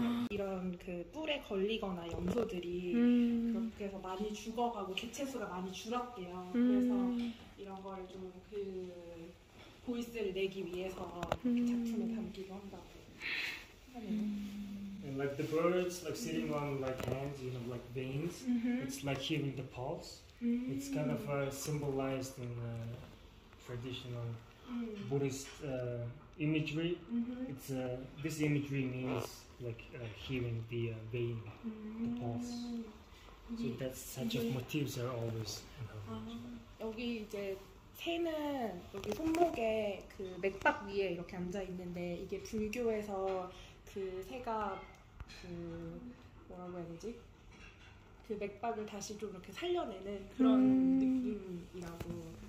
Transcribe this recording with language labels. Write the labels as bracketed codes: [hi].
[ko] 이런 그 뿔에 걸리거나 염소들이 그렇게 해서 많이 죽어가고 개체수가 많이 줄었대요. 그래서 이런 걸 좀 그 보이스를 내기 위해서 작품에 담기도 한다고 하네요. [en] And like the birds like sitting on like hands, you know, like veins. It's like hearing the pulse. It's kind of symbolized in the traditional Buddhist imagery. It's this imagery means like hearing the vein, the pulse. So that's such of motifs are always. [ko] 여기 이제 새는 여기 손목에 그 맥박 위에 이렇게 앉아 있는데 이게 불교에서 그 새가 그 뭐라고 해야 되지? 그 맥박을 다시 좀 이렇게 살려내는 그런 느낌이라고.